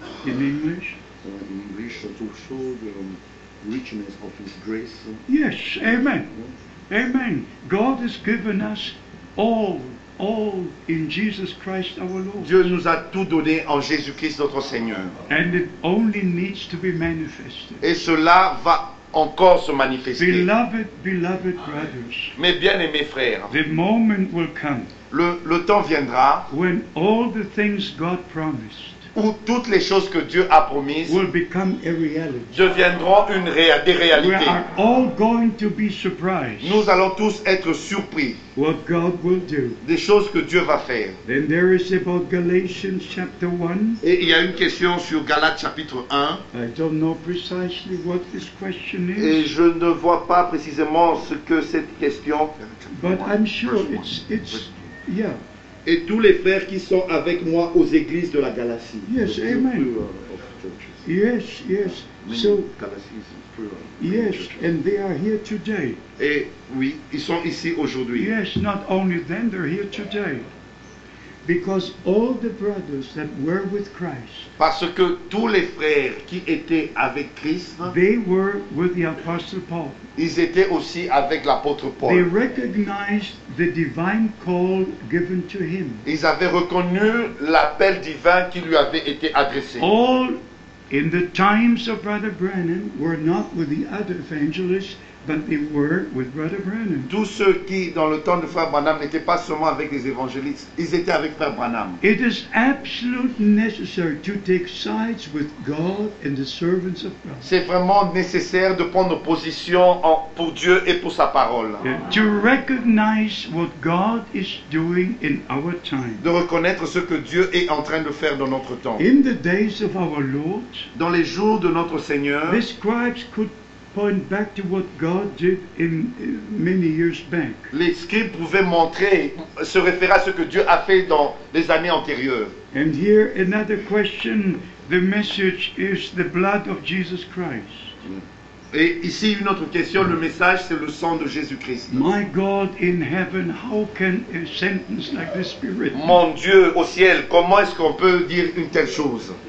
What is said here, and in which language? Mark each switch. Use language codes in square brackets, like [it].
[en] In English? In English, to show the richness of his grace. Yes, amen. Amen. God has given us all in Jesus Christ our Lord. [fr] Dieu nous a tout donné en Jésus-Christ notre Seigneur. [en] And it only needs to be manifested. [fr] Et cela va encore se manifester. [en] Beloved brothers, [fr] mes bien-aimés frères, [en] the moment will come [fr] le temps viendra [en] when all the things God promised [fr] où toutes les choses que Dieu a promises [en] will become a reality. [fr] Deviendront des réalités. [en] We are all going to be surprised. [fr] Nous allons tous être surpris [en] what God will do. [fr] Des choses que Dieu va faire. [en] Then there is about Galatians chapter 1. [fr] Et il y a une question sur Galates chapitre 1. [en] I don't know precisely what this question is. [fr] Et je ne vois pas précisément ce que cette question. [en] But I'm sure it's yeah. [fr] Et tous les frères qui sont avec moi aux églises de la Galatie. [en] Yes, amen. Yes, yes. So, yes, and they are here today. [fr] Et oui, ils sont ici aujourd'hui. [en] Yes, not only then, they're here today. Because all the brothers that were with Christ, [fr] parce que tous les frères qui étaient avec Christ, [en] they were with the Apostle Paul. [fr] Ils étaient aussi avec l'apôtre Paul. [en] They recognized the divine call given to him. [fr] Ils avaient reconnu l'appel divin qui lui avait été adressé. [en] All in the times of Brother Branham were not with the other evangelists, but they were with Brother Branham. [fr] Tous ceux qui, dans le temps de Frère Branham, n'étaient pas seulement avec les évangélistes, ils étaient avec Frère Branham. [en] It is absolutely necessary to take sides with God and the servants of God. [fr] C'est vraiment nécessaire de prendre position pour Dieu et pour sa parole. [en] To recognize what God is doing in our time. [fr] De reconnaître ce que Dieu est en train de faire dans notre temps. [en] In the days of our Lord, [fr] dans les jours de notre Seigneur, [en] the scribes could point back to what God did in many years back. [fr] Les scribes pouvaient montrer, se référer à ce que Dieu a fait dans les années antérieures. [en] And here another question, the message is the blood of Jesus Christ. [fr] Et ici une autre question, le message c'est le sang de Jésus-Christ. [en] My God in heaven, how can a sentence like this be written? [fr] Mon Dieu au ciel, comment est-ce qu'on peut dire une telle chose?